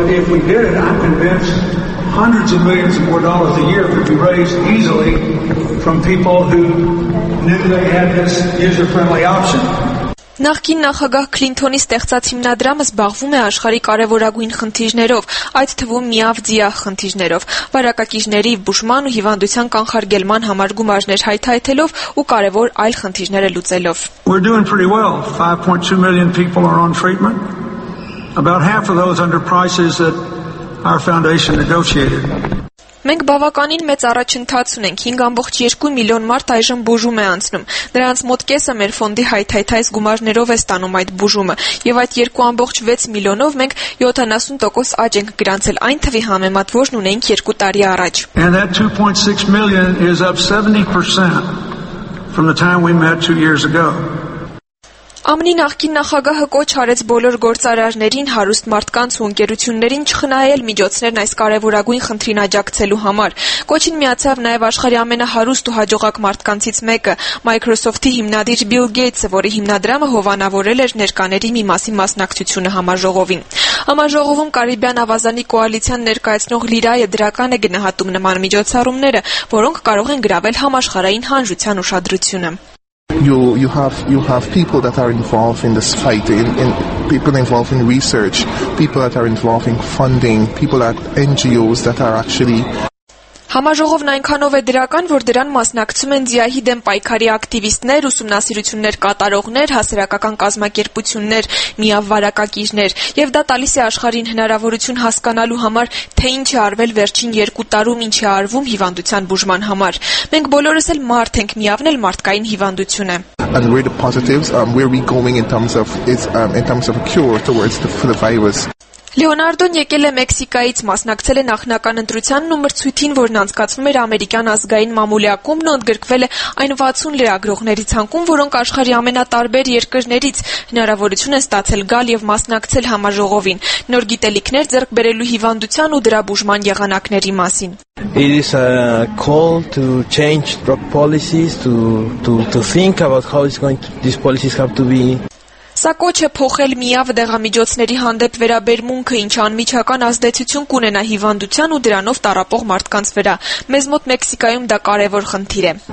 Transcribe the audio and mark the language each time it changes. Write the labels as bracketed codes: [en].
[en] Hundreds of millions of more dollars a year could be raised easily from people who knew they had this user-friendly option. [hy] Նախկին նախագահ Քլինթոնի ստեղծած հիմնադրամը զբաղվում է աշխարի կարևորագույն խնդիրներով, այդ թվում միավ ձիահ խնդիրներով, վարակակիրների բուժման ու հիվանդության կանխարգելման համար գումարներ հայթայթելով ու կարևոր այլ խնդիրները լուծելով։ [en] We're doing pretty well. 5.2 million people are on treatment. About half of those under prices that our foundation negotiated. [hy] Մենք բավականին մեծ առաջընթաց ունենք, 5.2 միլիոն մարդ այժմ բուժում է անցնում, դրանց մոտ կեսը մեր ֆոնդի հայթայթայց գումարներով է ստանում այդ բուժումը, և այդ 2.6 միլիոնով մենք 70% աճ ենք գրանցել այն թվի համեմատ, որն ունենք 2 տարի առաջ։ [en] And that 2.6 million is up 70% from the time we met 2 years ago. [hy] ԱՄՆ-ի նախկին նախագահը կոչ արեց բոլոր գործարարներին, հարուստ մարդկանց ու ընկերություններին չխնայել միջոցներն այս կարևորագույն խնդրին աջակցելու համար։ Կոչին միացավ նաև աշխարհի ամենահարուստ ու հաջողակ մարդկանցից մեկը՝ Microsoft-ի հիմնադիր Bill Gates-ը, որի հիմնադրամը հովանավորել էր ներկաների մի մասի մասնակցությունը համաժողովին։ Համաժողովում Կարիբյան ավազանի կոալիցիան ներկայացնող լիրայը դրական է գնահատում նման միջոցառումները, որոնք կարող են գրավել համաշխարհային հանրության ուշադրությունը։ [en] You have people that are involved in this fight, in people involved in research, people that are involved in funding, people at NGOs that are actually. [hy] Համաժողովն այնքանով է դրական, որ դրան մասնակցում են ԶԱՀ-ի դեմ պայքարի ակտիվիստներ, ուսումնասիրություններ կատարողներ, հասարակական կազմակերպություններ, միավ վարակակիրներ, և դա տալիս է աշխարհին հնարավորություն հասկանալու համար, թե ինչ է արվել վերջին 2 տարում, ինչ է արվում հիվանդության բուժման համար։ Մենք բոլորս էլ մարդ ենք, միավն էլ մարդկային հիվանդություն է։ [en] And where the positives, where are we going in terms of a cure towards the virus? [hy] Լեոնարդոն եկել է Մեքսիկայից, մասնակցել է նախնական ընտրությանն ու մրցույթին, որն անցկացվում էր ամերիկյան ազգային մամուլյակում, նա ընդգրկվել է այն 60 լրագրողների ցանկում, որոնք աշխարհի ամենատարբեր երկրներից հնարավորություն են ստացել գալ և մասնակցել համաժողովին, նոր գիտելիքներ ձեռք բերելու հիվանդության ու դրա բուժման եղանակների մասին. [en] It is a call to change drug policies, to think about how it's going to, these policies have to be. [hy] Սա կոչ է փոխել միավ դեղամիջոցների հանդեպ վերաբերմունքը, ինչ անմիջական ազդեցություն կունենա հիվանդության ու դրանով տարապող մարդկանց վրա։ Մեզ մոտ Մեքսիկայում դա կարևոր խնդիր է։